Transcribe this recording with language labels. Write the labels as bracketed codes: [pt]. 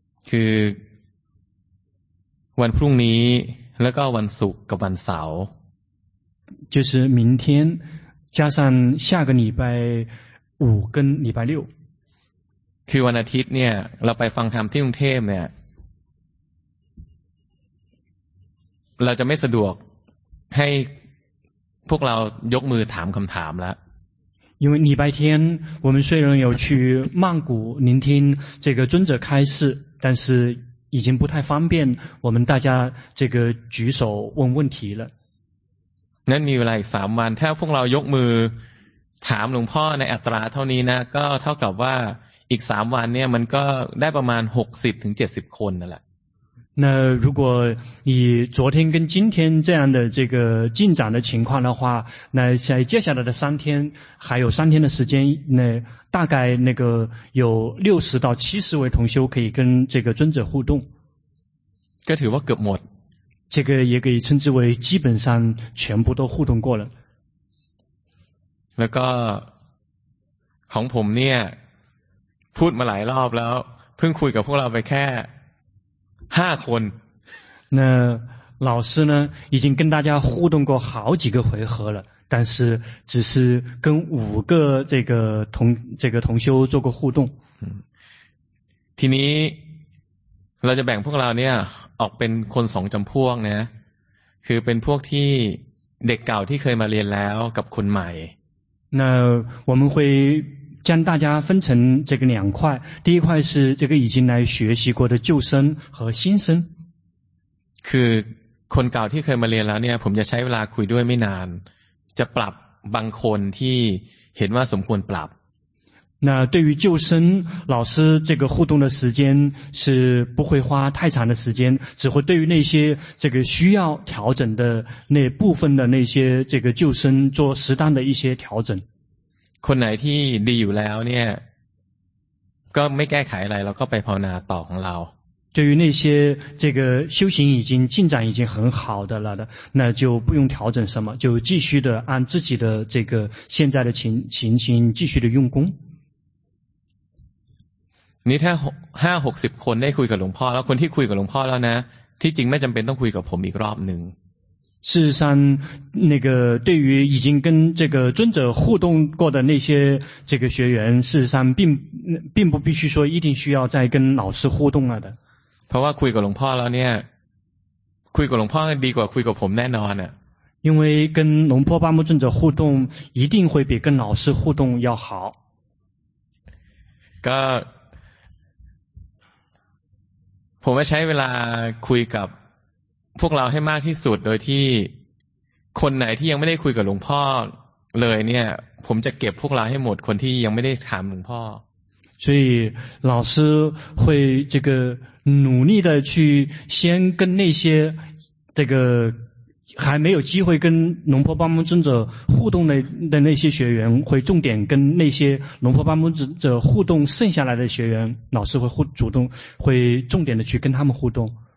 [th] คือวันพรุ่งนี้แล้วก็วันศุกร์กับวันเสาร์ [zh] 就是明天加上下个礼拜五跟礼拜六 [th] คือวันอาทิตย์เนี่ยเราไปฟังธรรมที่กรุงเทพเนี่ยเราจะไม่สะดวกให้พวกเรายกมือถามคำถามแล้ [zh] ว因为礼拜天我们虽然有去曼谷聆听这个尊者开示但是已经不太方便我们大家这个举手问问题了 [th] นั้นมีเวลาอีก3วันถ้าพวกเรายกมือถามหลวงพ่อในอัตราเท่านี้นะก็เท่ากับว่าอีก3วันเนี่ยมันก็ได้ประมาณ 60-70 คนนั่นแหละ [zh] 那如果以昨天跟今天这样的这个进展的情况的话，那在接下来的三天，还有三天的时间，那大概那个有60到70位同修可以跟这个尊者互动。 [th] 该ถือว่าเกือบหมด [zh] 这个也可以称之为基本上全部都互动过了。 [th] แล้วก็ของผมเนี่ยพูดมาหลายรอบแล้วเพิ่งคุยกับพวกเราไปแค่5คน [zh] 那老师呢已经跟大家互动过好几个回合了但是只是跟5个这个同修做过互动 [th] ทีนี้เราจะแบ่งพวกเราเนี่ยออกเป็นคน2จำพวกนะคือเป็นพวกที่เด็กเก่าที่เคยมาเรียนแล้วกับคนใหม่ [zh] 那我们会将大家分成这个两块，第一块是这个已经来学习过的旧生和新生。 [th] คือคนเก่าที่เคยมาเรียนแล้วเนี่ยผมจะใช้เวลาคุยด้วยไม่นานจะปรับบางคนที่เห็นว่าสมควรปรับ [zh] 那对于旧生老师这个互动的时间是不会花太长的时间只会对于那些这个需要调整的那部分的那些这个旧生做适当的一些调整 [th] คนไหนที่ดีอยู่แล้วเนี่ยก็ไม่แก้ไขอะไรแล้วก็ไปภาวนาต่อของเรา [zh] 对于那些这个修行已经进展已经很好的了的那就不用调整什么就继续的按自己的这个现在的情形继续的用功 [th] นี่ถ้า50-60คนได้คุยกับหลวงพ่อแล้วคนที่คุยกับหลวงพ่อแล้วนะที่จริงไม่จำเป็นต้องคุยกับผมอีกรอบนึง [zh] 事实上那个对于已经跟这个尊者互动过的那些这个学员事实上并不必须说一定需要再跟老师互动了的 [th] เพราะว่าคุยกับหลวงพ่อแล้วเนี่ยคุยกับหลวงพ่อดีกว่าคุยกับผมแน่นอนอ่ะ [zh] 因为跟龙婆巴木尊者互动一定会比跟老师互动要好 [th] ก็ผมใช้เวลาคุยกับพวกเราให้มากที่สุดโดยที่คนไหนที่ยังไม่ได้คุยกับหลวงพ่อเลยเนี่ยผมจะเก็บพวกเราให้หมดคนที่ยังไม่ได้ถามหลวงพ่อ [zh] 所以老师会这个努力的去先跟那些这个还没有机会跟龙婆巴木尊者互动的那些学员会重点跟那些龙婆巴木尊者互动剩下来的学员老师会主动会重点的去跟他们互动